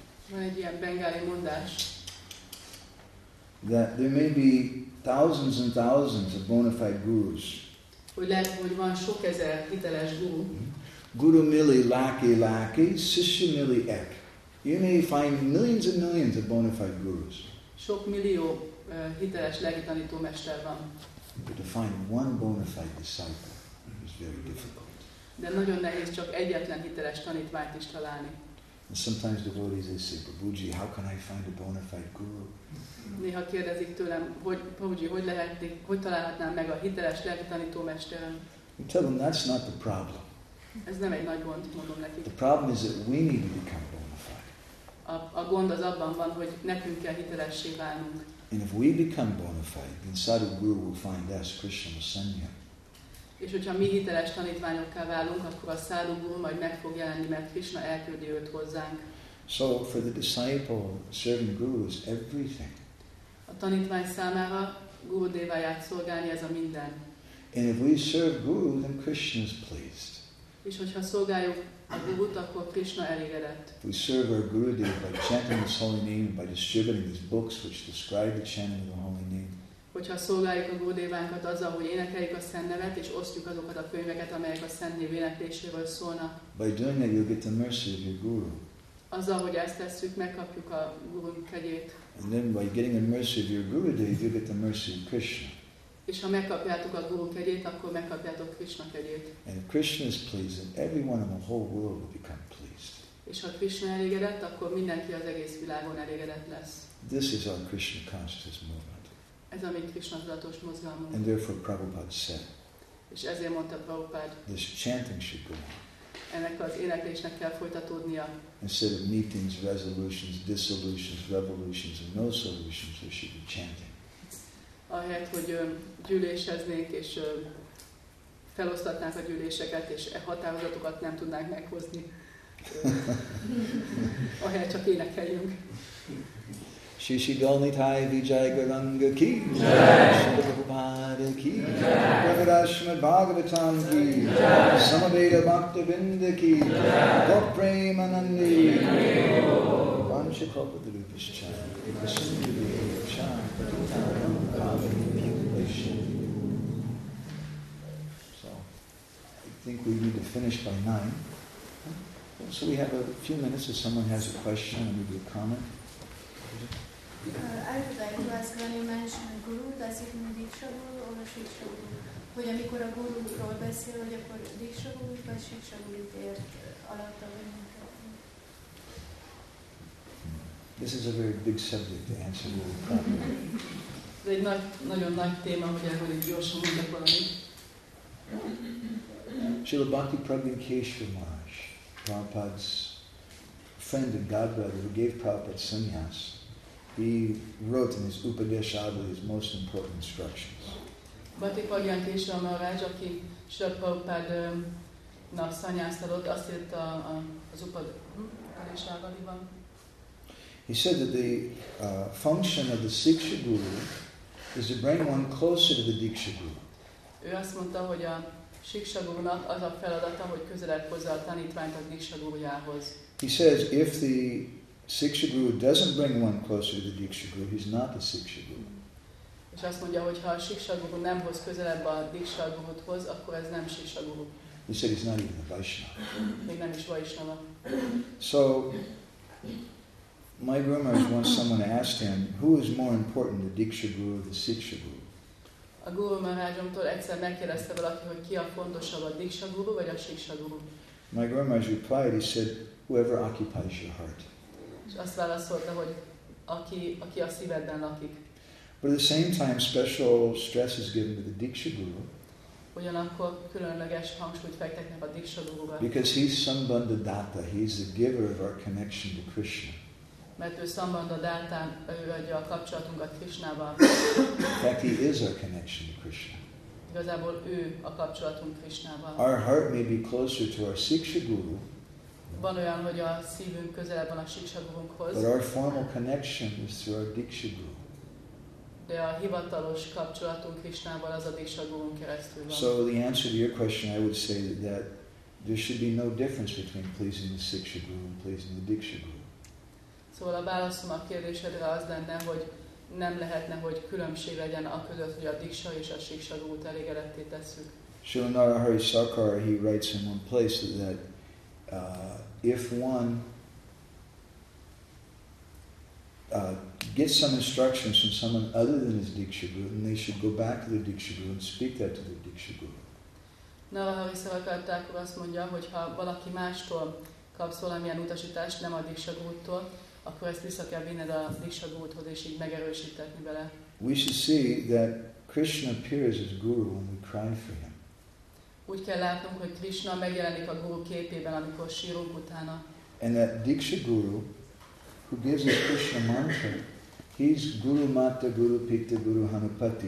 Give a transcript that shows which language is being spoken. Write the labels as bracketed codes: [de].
[hu] Van egy ilyen Bengali mondás. [en] That there may be thousands and thousands of bona fide gurus. [hu] Hogy lehet, hogy van sok ezer hiteles guru. [bn] Guru mili laki laki, sishya mili ek. [en] You may find millions and millions of bona fide gurus. [hu] Sok millió hiteles lelki tanító mester van. [en] But to find one bona fide disciple is very difficult. [hu] De nagyon nehéz csak egyetlen hiteles tanítványt is találni. [en] And sometimes devotees they say, Prabhuji, how can I find a bona fide guru? [hu] Néha kérdezik tőlem, hogy Prabhuji, hogy lehetnék, hogy találhatnám meg a hiteles lelki tanító mesterem? [en] I tell them, that's not the problem. [hu] Ez nem egy nagy gond, mondom nekik. [en] The problem is that we need to become bona fide. [hu] A gond az abban van, hogy nekünk kell hitelessé válnunk. [en] And if we become bona fide, then Sadhguru will find us, Krishna will send you. [hu] És hogyha mi hiteles tanítványokká válunk, akkor a Sadhguru majd meg fog jelenni, mert Krishna elküldi őt hozzánk. [en] So for the disciple, serving Guru is everything. [hu] A tanítvány számára Gurudeváját szolgálni, ez a minden. [en] And if we serve Guru, then Krishna is pleased. [hu] És hogyha szolgáljuk a Gurut, akkor Krishna elégedett. [en] We serve our Gurudev by chanting His holy name, by distributing His books which describe the chanting of the holy name. [hu] Hogyha szolgáljuk a Gurudevánkat azzal, hogy énekeljük a Szent Nevet, és osztjuk azokat a könyveket, amelyek a Szent Név énekléséről szólnak. [en] By doing that you'll get the mercy of your Guru. [hu] Azzal, hogy ezt tesszük, megkapjuk a Guru kegyét. [en] And then by getting the mercy of your Gurudev, you'll get the mercy of Krishna. [hu] És ha megkapjátok a Guru kegyét, akkor megkapjátok Krishna kegyét. [en] And if Krishna is pleased, then everyone in the whole world will become pleased. [hu] És ha Krishna elégedett, akkor mindenki az egész világon elégedett lesz. [en] This is our Krishna consciousness movement. [hu] Ez a mi Krishna tudatos mozgalmunk. [en] And therefore Prabhupada said. [hu] És ezért mondta Prabhupada. [en] This chanting should go on. [hu] Ennek az éneklésnek kell folytatódnia. [en] Instead of meetings, resolutions, dissolutions, revolutions, and no solutions, there should be chanting. [hu] Ahelyett, hogy gyűléseznénk, és felosztatnánk a gyűléseket, és határozatokat nem tudnánk meghozni. Ahelyett csak énekeljünk. Shishi Dalnitai Vijay Garanga Ki Jai Prabhupada Ki Jai Pravarashma Bhagavatam Ki Jai Samaveda Bhakta Vinda Ki Jai Gopremanandi Ki Jai [en] Vam don't you call it the Rupa's chant? The Sindhubi chant, but it's not a common population. So, I think we need to finish by 9. So we have a few minutes if someone has a question or maybe a comment. I would like to ask, when you mention guru, does it mean Diksha Guru or Shiksha Guru? [hu] Hogy amikor a gurúról beszél, hogy akkor Diksha Guru vagy Shiksha Guru ért alatt a bennünket? [en] This is a very big subject to answer really properly. [hu] Egy nagyon nagy téma, hogy erről egy gyorsan mondjak valamit. [en] Srila Bhakti Pragyan Kesava Maharaj, Prabhupada's friend and godbrother who gave Prabhupada sannyas, he wrote in his Upadeshadu his most important instructions. [hu] Bhakti Pragyan Kesava Maharaj, aki Srila Prabhupada-nak sannyaszt adott, azt írt az Upadeshadu-ban. [en] He said that the function of the Siksha Guru is to bring one closer to the Diksha Guru. [hu] Ő azt mondta, hogy a Siksha Gurunak az a feladata, hogy közelebb hozza a tanítványt a Diksha Gurujához. [en] He says, if the Siksha Guru doesn't bring one closer to the Diksha Guru, he's not the Siksha Guru. [hu] És azt mondja, hogy ha a Siksha Guru nem hoz közelebb a Diksha Guruhoz, akkor ez nem Siksha Guru. [en] He said, he's not even a Vaishnava. [hu] Még nem is Vaishnava. [en] So, my grandmother once someone asked him, who is more important, the Diksha Guru or the Siksha Guru? [hu] A Guru Maharajomtól egyszer megkérdezte valaki, hogy ki a fontosabb, a Diksha Guru vagy a Siksha Guru. [en] My grandmother replied, he said, whoever occupies your heart. [hu] És azt válaszolta, hogy aki a szívedben lakik. [en] But at the same time, special stress is given to the Diksha Guru. [hu] Ugyanakkor különleges hangsúlyt fekteknek a Diksha Guruba. [en] Because he's Sambandha Data, he's the giver of our connection to Krishna. [hu] Mert ő Sambandha Data, ő adja a kapcsolatunkat Krishnával. [en] In fact, he is our connection to Krishna. [hu] Igazából ő a kapcsolatunk Krishnával. [en] Our heart may be closer to our Siksha Guru. [hu] Van olyan, hogy a szívünk közelebb van a Siksha Gurunkhoz. [en] But our formal connection is through our Diksha Guru. [hu] De a hivatalos kapcsolatunk Krishnával az a Diksha Gurun keresztül van. [en] So the answer to your question, I would say that there should be no difference between pleasing the Siksha Guru and pleasing the Diksha Guru. [hu] Szóval a válaszom a kérdésedre az lenne, hogy nem lehetne, hogy különbség legyen a között, hogy a Diksha és a Siksha Gurut elégedetté tesszük. [en] Srila Narahari Sarkar, he writes in one place that if one gets some instructions from someone other than his Diksha Guru, then they should go back to the Diksha Guru and speak that to the Diksha Guru. [hu] Narahari Sarkar akkor azt mondja, hogy ha valaki mástól kapsz valamilyen utasítást, nem a Diksha Gurutól, akkor ezt vissza kell vinned a Diksha Guruthoz, és így megerősítetni vele. [en] We should see that Krishna appears as Guru when we cry for him. [hu] Úgy kell látnunk, hogy Krishna megjelenik a Guru képében, amikor sírunk utána. [en] And that Diksha Guru, who gives us Krishna mantra, he's Guru Mata, Guru Pita, Guru Hanupati.